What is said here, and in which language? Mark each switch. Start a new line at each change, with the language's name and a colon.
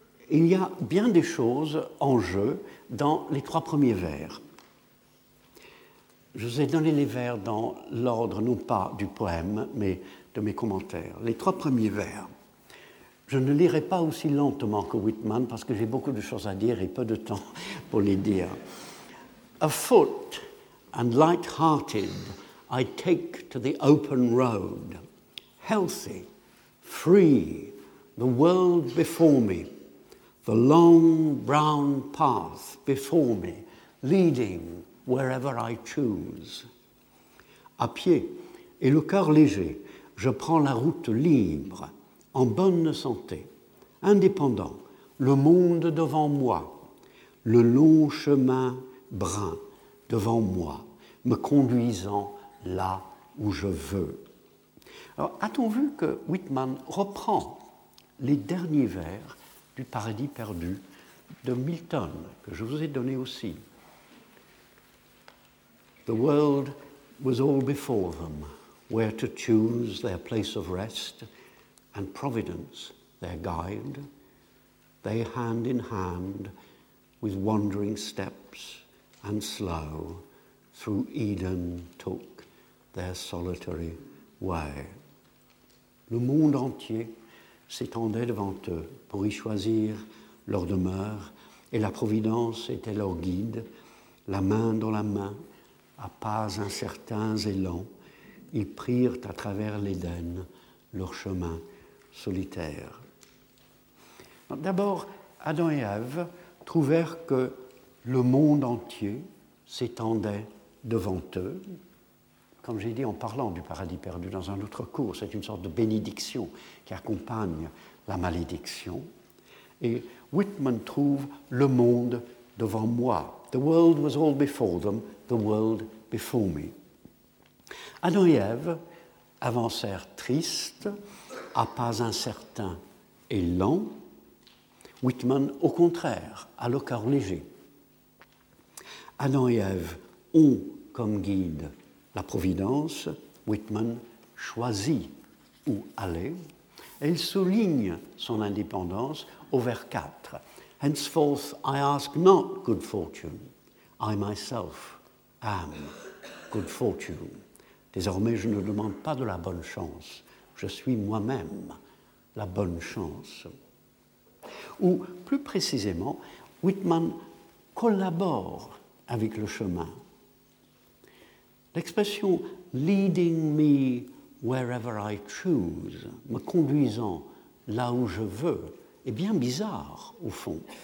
French: Il y a bien des choses en jeu dans les trois premiers vers. Je vous ai donné les vers dans l'ordre, non pas du poème, mais de mes commentaires. Les trois premiers vers. Je ne lirai pas aussi lentement que Whitman parce que j'ai beaucoup de choses à dire et peu de temps pour les dire.
English: Afoot and light-hearted, I take to the open road. Healthy, free, the world before me. The long brown path before me, leading wherever I choose.
French: À pied et le cœur léger, je prends la route libre, en bonne santé, indépendant, le monde devant moi, le long chemin brun devant moi, me conduisant là où je veux. Alors, a-t-on vu que Whitman reprend les derniers vers du Paradis perdu de Milton, que je vous ai donné aussi?
English: The world was all before them, where to choose their place of rest, and Providence their guide, they hand in hand with wandering steps and slow through Eden took their solitary way.
French: Le monde entier s'étendait devant eux pour y choisir leur demeure, et la Providence était leur guide. La main dans la main, à pas incertains et lents, ils prirent à travers l'Éden leur chemin solitaire. D'abord, Adam et Ève trouvèrent que le monde entier s'étendait devant eux, comme j'ai dit en parlant du paradis perdu dans un autre cours, c'est une sorte de bénédiction qui accompagne la malédiction. Et Whitman trouve le monde devant moi.
English: The world was all before them, the world before me.
French: Adam et Ève avancèrent tristes, à pas incertains et lents. Whitman, au contraire, a le cœur léger. Adam et Ève ont comme guide la Providence. Whitman choisit où aller. Elle souligne son indépendance au vers 4.
English: Henceforth, I ask not good fortune. I myself am good fortune.
French: Désormais, je ne demande pas de la bonne chance. Je suis moi-même la bonne chance. Ou plus précisément, Whitman collabore avec le chemin. L'expression «
English: leading me wherever I choose
French: », me conduisant là où je veux, est bien bizarre, au fond.